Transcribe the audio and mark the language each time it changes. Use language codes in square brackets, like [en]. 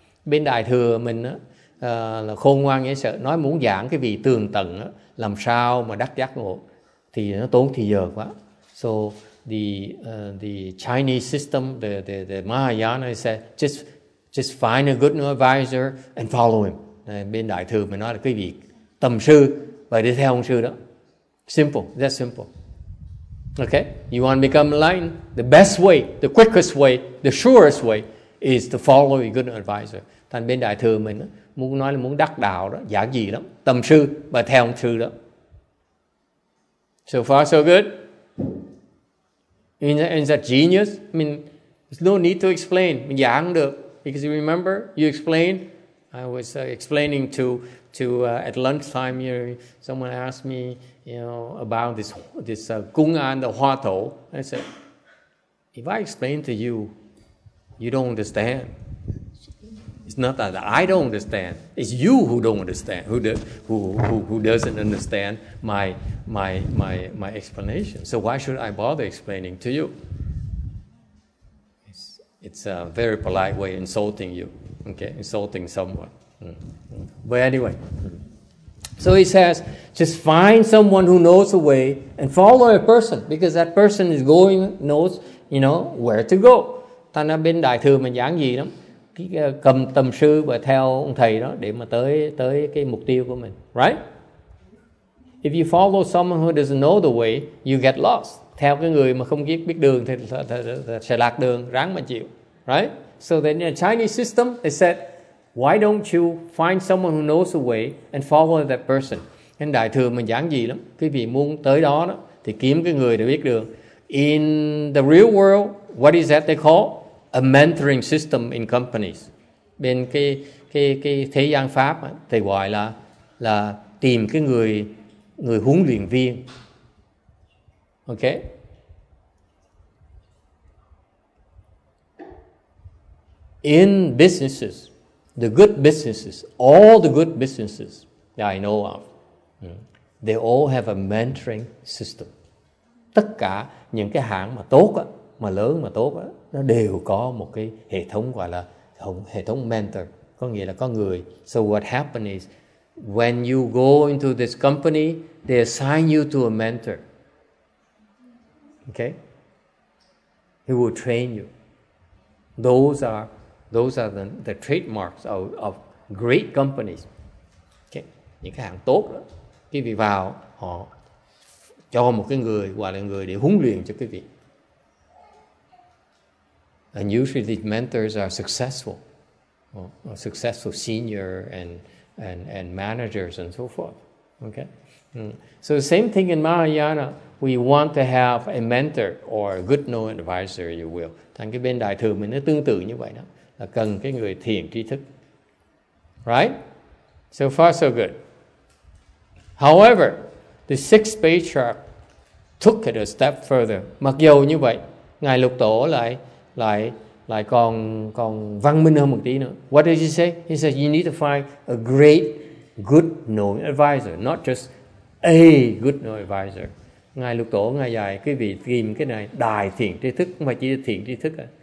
[vi] Bên đại thừa mình á là khôn ngoan dễ sợ, nói muốn giảng cái vị tường tận á, làm sao mà đắc giác ngộ thì nó tốn thì giờ quá. So [en] the Chinese system, the Mahayana, he said, just find a good advisor and follow him. [vi] Bên đại thừa mình nói là cái việc tầm sư và đi theo ông sư đó. [en] Simple, that's simple. Okay, you want to become enlightened? The best way, the quickest way, the surest way is to follow a good advisor. [vi] Thành bên đại thừa mình muốn nói là muốn đắc đạo đó, giản dị lắm, tầm sư và theo ông sư đó. [en] So far, so good. And that genius, I mean, there's no need to explain. [vi] Mình giảng được, [en] because you remember, you explained. I was explaining to at lunchtime. You know, someone asked me, you know, about this Kung An, the Hua Tou. I said, if I explain to you, you don't understand. It's not that I don't understand. It's you who don't understand. Who doesn't understand my explanation. So why should I bother explaining to you? It's a very polite way of insulting you. Okay, insulting someone. But anyway, so he says, just find someone who knows the way and follow a person because that person is going knows, you know, where to go. [vi] Thành ra bên đại thừa mình giảng gì lắm, cầm tâm sư và theo ông thầy đó để mà tới cái mục tiêu của mình, right? [en] If you follow someone who doesn't know the way, you get lost. [vi] Theo cái người mà không biết đường thì sẽ lạc đường, ráng mà chịu, right? [en] So then in the Chinese system, they said, why don't you find someone who knows the way and follow that person? [vi] Nên đại thừa mình giảng gì lắm? Cái vị muốn tới đó, đó thì kiếm cái người để biết đường. [en] In the real world, what is that they call? A mentoring system in companies. [vi] Bên cái thế gian Pháp, thì gọi là tìm cái người huấn luyện viên. [en] Okay? In businesses, the good businesses, all the good businesses that I know of, they all have a mentoring system. [vi] Tất cả những cái hãng mà tốt, mà lớn mà tốt, nó đều có một cái hệ thống gọi là hệ thống mentor, có nghĩa là có người. [en] So what happens is, when you go into this company, they assign you to a mentor. Okay? He will train you. Those are the trademarks of great companies. Okay. [vi] Những cái hàng tốt đó, cái vị vào họ cho một cái người gọi là người để huấn luyện cho cái vị. [en] And usually these mentors are successful, successful senior and managers and so forth. Okay. So the same thing in Mahayana, we want to have a mentor or a good known advisor, if you will. [vi] Thành cái bên đại thừa mình nó tương tự như vậy đó. Là cần cái người thiền trí thức. [en] Right? So far, so good. However, the sixth patriarch took it a step further. [vi] Mặc dù như vậy, Ngài Lục Tổ lại còn văn minh hơn một tí nữa. [en] What did he say? He said, you need to find a great, good, known advisor. Not just a good, known advisor. [vi] Ngài Lục Tổ, Ngài dạy, quý vị tìm cái này, đại thiền trí thức, không phải chỉ là thiền trí thức à.